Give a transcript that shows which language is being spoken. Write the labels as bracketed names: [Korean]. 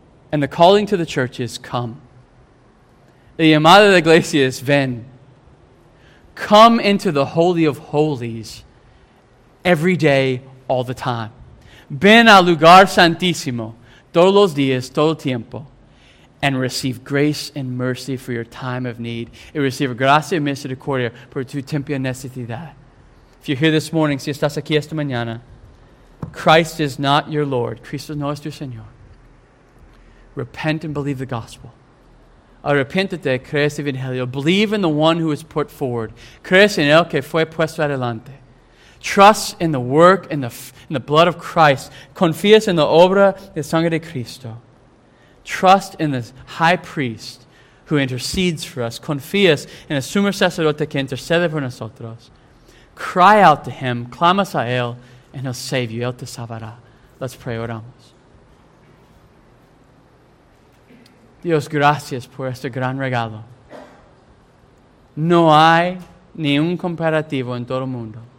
[English] And the calling to the church is come. [Spanish] The llamada de iglesia es ven. [English] Come into the holy of holies every day, all the time. [Spanish] Ven al lugar santísimo todos los días, todo tiempo. [English] And receive grace and mercy for your time of need. [Spanish] Y recibe gracia y misericordia por tu tiempo necesidad. [English] If you're here this morning, [Spanish] si estás aquí esta mañana, [English] Christ is not your Lord. [Spanish] Cristo no es tu Señor. [English] Repent and believe the gospel. [Spanish] Arrepiéntete, crees evangelio. [English] Believe in the one who is put forward. [Spanish] Crees en el que fue puesto adelante. [English] Trust in the work and in the blood of Christ. [Spanish] Confías en la obra de sangre de Cristo. [English] Trust in the high priest who intercedes for us. [Spanish] Confías en el sumo sacerdote que intercede por nosotros. [English] Cry out to him. [Spanish] Clamas a él. [English] And he'll save you. [Spanish] Él te salvará. [English] Let's pray. [Spanish] Oramos. Dios, gracias por este gran regalo. no hay ni un comparativo en todo el mundo.